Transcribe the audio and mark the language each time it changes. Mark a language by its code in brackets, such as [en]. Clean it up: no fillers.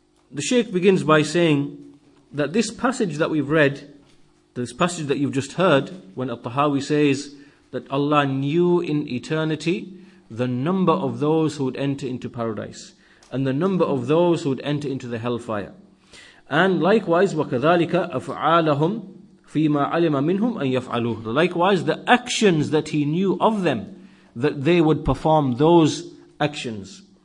[en] The Shaykh begins by saying that this passage that we've read, this passage that you've just heard, when Al-Tahawi says that Allah knew in eternity the number of those who would enter into paradise and the number of those who would enter into the hellfire. And likewise, [ar] وَكَذَلِكَ أَفْعَالَهُمْ فِيمَا عَلِمَ مِنْهُمْ أَنْ يَفْعَلُوهُ. [en] Likewise, the actions that he knew of them, that they would perform those actions.